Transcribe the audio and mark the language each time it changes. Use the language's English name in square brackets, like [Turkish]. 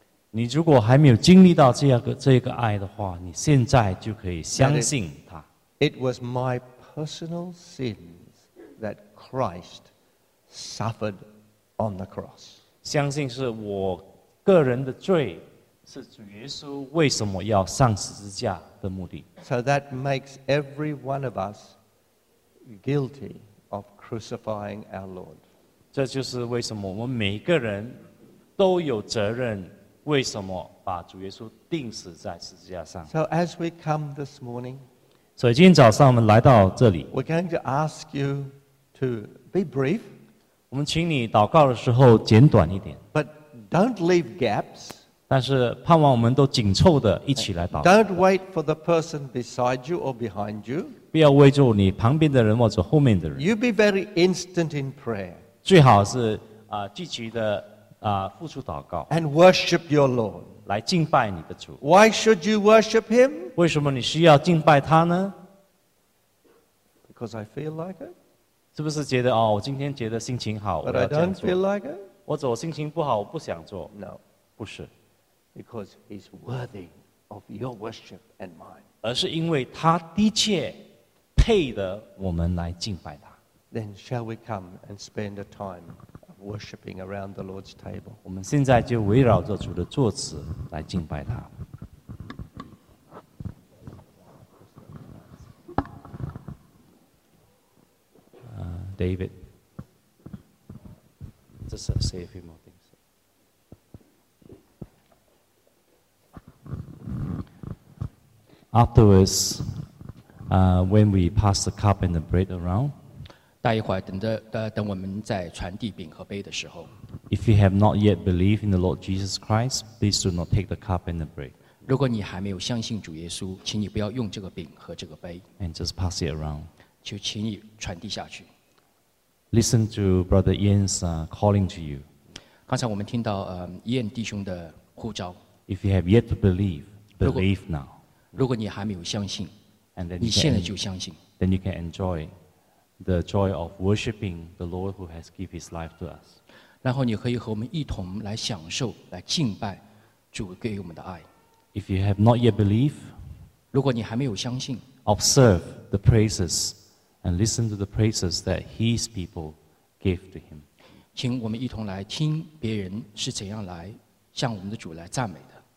[Chinese] 你如果还没有经历到这个爱的话，你现在就可以相信他。 [English] It was my personal sins that Christ suffered on the cross. [Chinese] 相信是我个人的罪，是主耶稣为什么要上十字架的目的。 [English] So that makes every one of us guilty of crucifying our Lord. [Chinese] 这就是为什么我们每个人都有责任，为什么把主耶稣钉死在十字架上。 [English] So as we come this morning, [Chinese] 所以今天早上我们来到这里。 [English] We're going to ask you to be brief. [Chinese] 我们请你祷告的时候简短一点。 [English] But don't leave gaps. [Chinese] 但是盼望我们都紧凑的一起来祷告。 [English] Don't wait for the person beside you or behind you. [Chinese] 不要为着你旁边的人或者后面的人。 [English] You be very instant in prayer. [Chinese] 最好是积极的付出祷告。 [English] And worship your Lord. [Chinese] 来敬拜你的主。 [English] Why should you worship him? [Chinese] 为什么你需要敬拜他呢？ [English] Because I feel like it. [Chinese] 是不是觉得我今天觉得心情好， [English] But I don't feel like it. [Chinese] 或者我心情不好，我不想做。 [English] No. [Chinese] 不是。 [English] Because he's worthy of your worship and mine. [Chinese] 而是因为他的确配得我们来敬拜他。 [English] Then shall we come and spend a time worshiping around the Lord's table. [Chinese] 我们现在就围绕着主的座子来敬拜他。 [English] David, just say a few more things. Afterwards, when we pass the cup and the bread around, [Chinese] 待一会儿等我们在传递饼和杯的时候。 [English] If you have not yet believed in the Lord Jesus Christ, please do not take the cup and the bread. [Chinese] 如果你还没有相信主耶稣，请你不要用这个饼和这个杯。 [English] And just pass it around. [Chinese] 就请你传递下去。 [English] Listen to Brother Ian's calling to you. [Chinese] 刚才我们听到Ian弟兄的呼召。 [English] If you have yet to believe, believe now. [Chinese] 如果你还没有相信，你现在就相信。 [English] Then you can enjoy the joy of worshiping the Lord who has given his life to us. [Chinese] 然后你可以和我们一同来享受，来敬拜主给我们的爱。 [English] If you have not yet believed, [Chinese] 如果你还没有相信， [English] observe the praises and listen to the praises that his people gave to him. [Chinese] 请我们一同来听别人是怎样来向我们的主来赞美的。